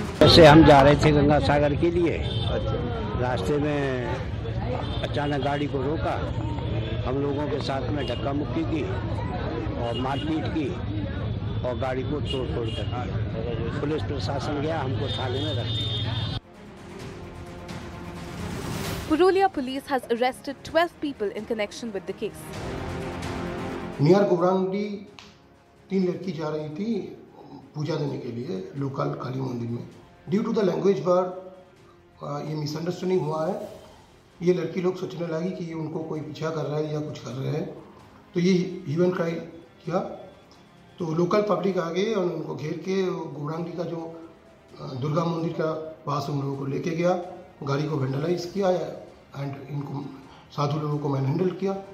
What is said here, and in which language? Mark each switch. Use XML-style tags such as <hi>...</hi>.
<hi>से हम जा रहे थे गंगा सागर के लिए, रास्ते में अचानक गाड़ी को रोका, हम लोगों के साथ में धक्का मुक्की की और मारपीट की और गाड़ी को तोड़ तोड़ कर, पुलिस प्रशासन गया, हमको थाने में रख दिया।</hi> <en>Purulia police has arrested 12 people in connection with the case.</en> <hi>Near गुबरांगडी तीन लड़की जा रही थी पूजा देने के लिए लोकल काली मंदिर में.</hi> <en>Due to the language bar,</en> <hi>ये</hi> <en>misunderstanding</en> <hi>हुआ है. ये लड़की लोग सोचने लगी कि ये उनको कोई पीछा कर रहा है या कुछ कर रहे हैं, तो ये ह्यूमन क्राई किया. तो लोकल पब्लिक आ गए और उनको घेर के गुबरांगडी का जो दुर्गा मंदिर का पास उन लोगों को लेके गया, गाड़ी को वैंडलाइज किया एंड इनको साधु लोगों को मैन हैंडल किया.</hi>